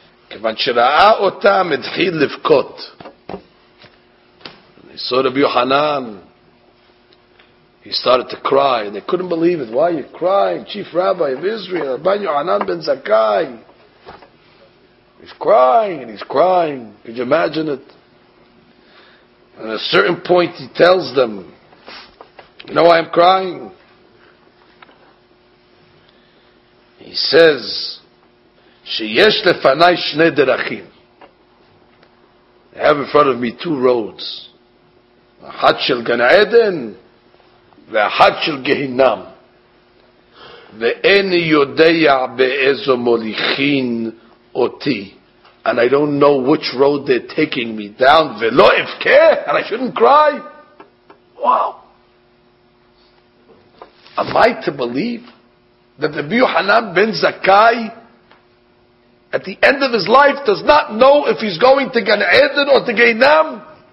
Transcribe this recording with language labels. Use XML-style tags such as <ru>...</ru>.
<he>כיוון שראה אותם התחיל לבכות.</he> <en>And they saw Rabbi Yohanan. He started to cry. And they couldn't believe it. Why are you crying? Chief Rabbi of Israel, Rabbi Yohanan ben Zakkai. He's crying. Could you imagine it? And at a certain point he tells them, you know why I'm crying? He says,</en> <he>שיש לפני שני דרכים.</he> <en>I have in front of me two roads.</en> <he>אחת של גן עדן ואחת של גהינם. ואין יודע באיזו מוליכין אותי.</he> <en>And I don't know which road they're taking me down.</en> <he>ולא אבכה,</he> <en>and I shouldn't cry. Wow. Am I to believe that the Rabbi Yohanan ben Zakkai at the end of his life does not know if he's going to Gan Eden or to Gehinnom?</en>